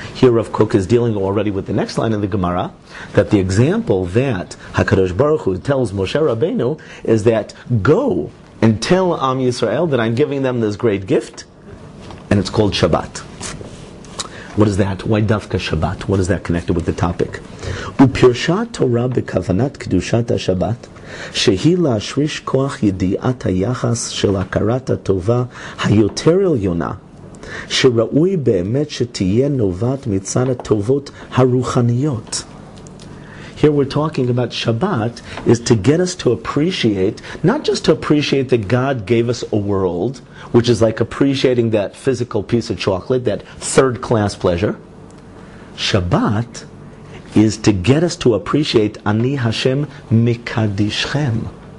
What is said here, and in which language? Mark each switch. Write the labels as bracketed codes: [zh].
[en] Here Rav Kook is dealing already with the next line in the Gemara, that the example that HaKadosh Baruch Hu tells Moshe Rabbeinu is that, go and tell Am Yisrael that I'm giving them this great gift, and it's called Shabbat. What is that? Why Davka Shabbat? What is that connected with the topic? [he] U'pirsha Torah bekavanat kedushat haShabbat, שהיא להשריש כוח ידיעת היחס של הכרת הטובה היותר עליונה, שראוי באמת שתהיה נובעת מצד הטובות הרוחניות. [en] here we're talking about Shabbat, is to get us to appreciate, not just to appreciate that God gave us a world, which is like appreciating that physical piece of chocolate, that third class pleasure. Shabbat is to get us to appreciate Ani Hashem Mikadishchem.